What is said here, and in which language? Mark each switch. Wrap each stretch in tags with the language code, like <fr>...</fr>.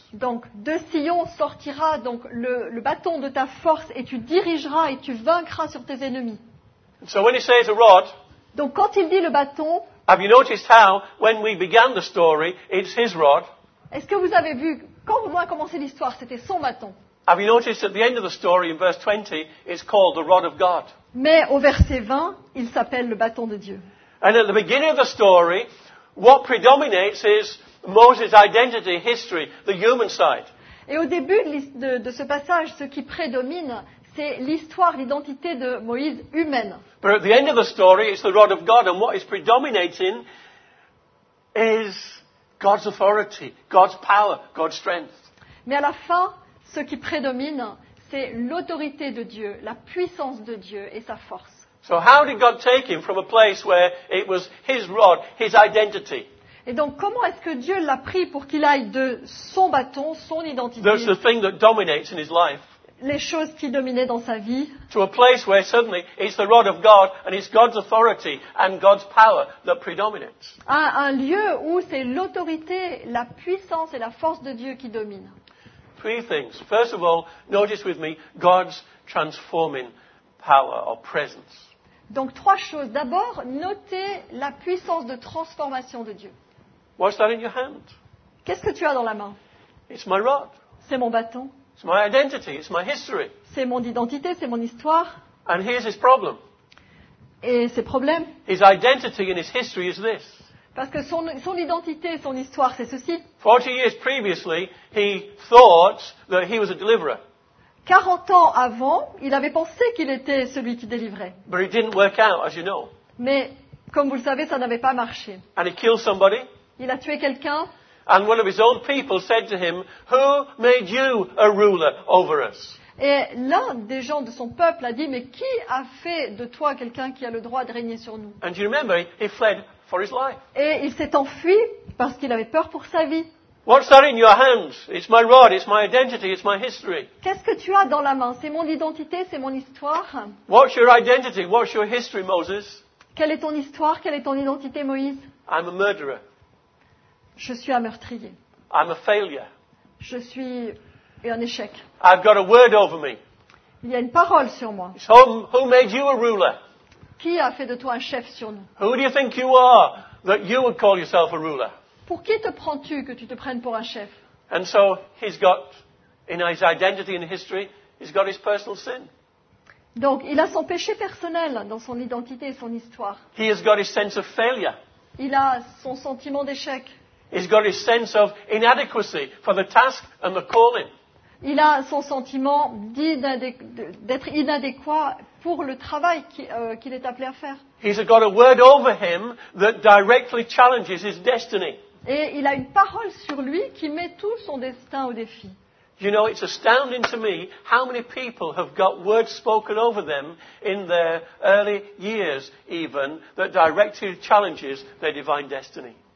<fr>Donc de Sion sortira donc le bâton de ta force, et tu dirigeras et tu vaincras sur tes ennemis.</fr> <en>So when he says a rod,</en> <fr>donc quand il dit le bâton,</fr> <en>have you noticed how, when we began the story, it's his rod?</en> <fr>Est-ce que vous avez vu, quand on a commencé l'histoire, c'était son bâton?</fr> <en>Have you noticed at the end of the story, in verse 20, it's called the rod of God?</en> <fr>Mais au verset 20, il s'appelle le bâton de Dieu.</fr> <en>And at the beginning of the story, what predominates is Moses' identity, history, the human side.</en> <fr>Et au début de ce passage, ce qui prédomine, c'est l'histoire, l'identité de Moïse humaine.</fr> <en>But at the end of the story, it's the rod of God, and what is predominating is God's authority, God's power, God's strength.</en> <fr>Mais à la fin, ce qui prédomine, c'est l'autorité de Dieu, la puissance de Dieu et sa force.</fr> <en>So how did God take him from a place where it was his rod, his identity?</en> <fr>Et donc, comment est-ce que Dieu l'a pris pour qu'il aille de son bâton, son identité?</fr> <en>That's the thing that dominates in his life.</en> <fr>Les choses qui dominaient dans sa vie.</fr> <en>To a place where suddenly it's the rod of God and it's God's authority and God's power that predominates.</en> <fr>À un lieu où c'est l'autorité, la puissance et la force de Dieu qui dominent.</fr> <en>Three things. First of all, notice with me God's transforming power or presence.</en> <fr>Donc trois choses. D'abord, notez la puissance de transformation de Dieu.</fr> <en>What's that in your hand?</en> <fr>Qu'est-ce que tu as dans la main?</fr> <en>It's my rod.</en> <fr>C'est mon bâton.</fr> <en>It's my identity, it's my history.</en> <fr>C'est mon identité, c'est mon histoire.</fr> <en>And here's his problem.</en> <fr>Et ses problèmes.</fr> <en>His identity and his history is this.</en> <fr>Parce que son identité et son histoire, c'est ceci.</fr> <en>40 years previously, he thought that he was a deliverer.</en> <fr>40 ans avant, il avait pensé qu'il était celui qui délivrait.</fr> <en>But it didn't work out, as you know.</en> <fr>Mais comme vous le savez, ça n'avait pas marché.</fr> <en>And he killed somebody.</en> <fr>Il a tué quelqu'un.</fr> <en>And one of his own people said to him, "Who made you a ruler over us?"</en> <fr>Et l'un des gens de son peuple a dit, "Mais qui a fait de toi quelqu'un qui a le droit de régner sur nous?"</fr> <en>And you remember, he fled for his life.</en> <fr>Et il s'est enfui parce qu'il avait peur pour sa vie.</fr> <en>What's that in your hands? It's my rod, it's my identity, it's my history.</en> <fr>Qu'est-ce que tu as dans la main? C'est mon identité, c'est mon histoire.</fr> <en>What's your identity? What's your history, Moses?</en> <fr>Quelle est ton histoire? Quelle est ton identité, Moïse?</fr> <en>I'm a murderer.</en> <fr>Je suis un meurtrier.</fr> <en>I'm a failure.</en> <fr>Je suis un échec.</fr> <en>I've got a word over me.</en> <fr>Il y a une parole sur moi.</fr> <en>Who made you a ruler?</en> <fr>Qui a fait de toi un chef sur nous?</fr> <en>Who do you think you are that you would call yourself a ruler?</en> <fr>Pour qui te prends-tu que tu te prennes pour un chef?</fr> <en>And so he's got in his identity and history, he's got his personal sin.</en> <fr>Donc il a son péché personnel dans son identité et son histoire.</fr> <en>He has got his sense of failure.</en> <fr>Il a son sentiment d'échec.</fr> <en>He's got his sense of inadequacy for the task and the calling.</en> <fr>Il a son sentiment d'être inadéquat pour le travail qu'il est appelé à faire.</fr> <en>He's got a word over him that directly challenges his destiny.</en> <fr>Et il a une parole sur lui qui met tout son destin au défi.</fr> <en>You know, it's astounding to me how many people have got words spoken over them in their early years even that directly challenges their divine destiny.</en>